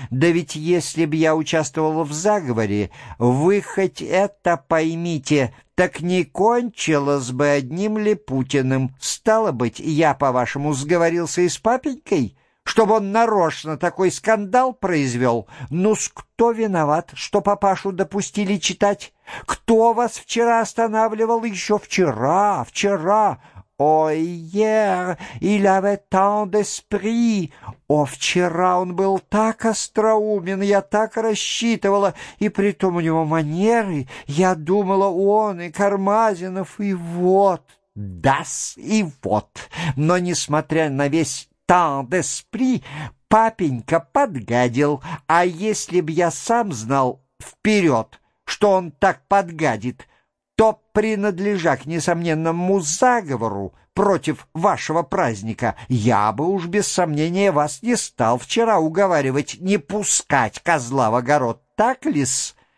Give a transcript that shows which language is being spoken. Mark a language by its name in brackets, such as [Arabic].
[Russian] Да ведь если б я участвовал в заговоре, вы хоть это поймите, так не кончилось бы одним Липутиным. Стало быть, я, по-вашему, сговорился и с папенькой, чтобы он нарочно такой скандал произвел? Ну-с, кто виноват, что папашу допустили читать? Кто вас вчера останавливал? Еще вчера, вчера. [French] Ой, hier, il avait tant d'esprit. [Russian] О, вчера он был так остроумен, я так рассчитывала, и притом у него манеры, я думала, он и Кармазинов, и вот, да-с, и вот. Но, несмотря на весь [French] tant d'esprit, [Russian] папенька подгадил, а если б я сам знал вперед, что он так подгадит, то, принадлежа к несомненному заговору против вашего праздника, я бы уж без сомнения вас не стал вчера уговаривать не пускать козла в огород, так ли-с?